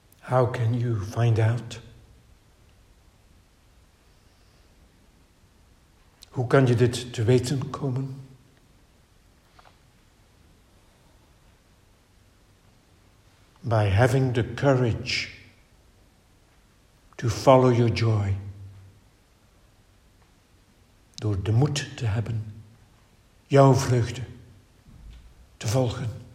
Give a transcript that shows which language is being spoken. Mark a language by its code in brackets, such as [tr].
[en] how can you find out? [nl] Hoe kan je dit te weten komen? [en] By having the courage to follow your joy. [nl] Door de moed te hebben jouw vreugde te volgen.